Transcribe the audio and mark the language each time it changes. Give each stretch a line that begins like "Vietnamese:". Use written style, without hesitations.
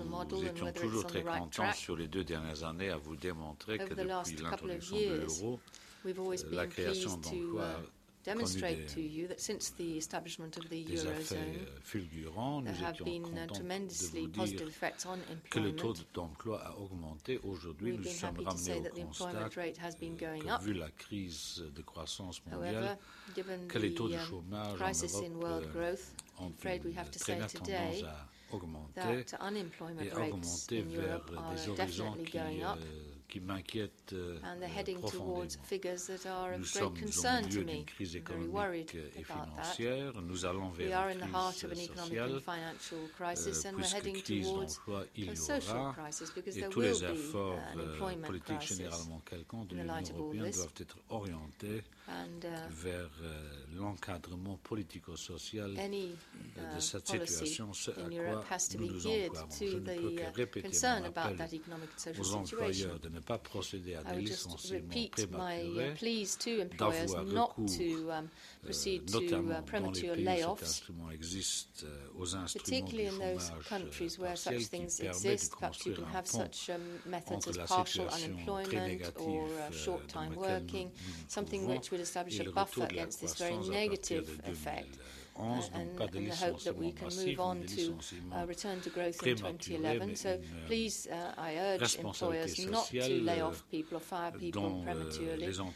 French: Nous étions toujours très contents sur les deux dernières années à vous démontrer que depuis l'introduction de l'euro, la création d'emplois
English: demonstrate to you that since the establishment of the Eurozone, there have been tremendously positive effects on employment. We've been happy to say that the employment rate has been going up. However, given the crisis in world growth, I'm afraid we have to say today that unemployment rates in Europe are definitely going up.
French: Qui m'inquiète profondément. Nous sommes au milieu d'une crise économique et financière. Nous allons vers une crise sociale, puisque crise d'emploi il y aura, et tous les efforts politiques généralement quelconques de l'Union européenne doivent être orientés vers l'encadrement politico-social de cette situation, ce à quoi nous nous encouragons. Je ne peux que répéter mon appel aux employeurs de ne pas procéder à des licenciements prématurés, d'avoir recours notamment dans les pays où cet instrument existe aux instruments du chômage partiel qui permet de construire un pont entre la situation très négative dans laquelle nous nous trouvons
English: establish a buffer against this very negative effect, and the hope that we can move on to return to growth in 2011. So please, I urge employers not to lay off people or fire people prematurely.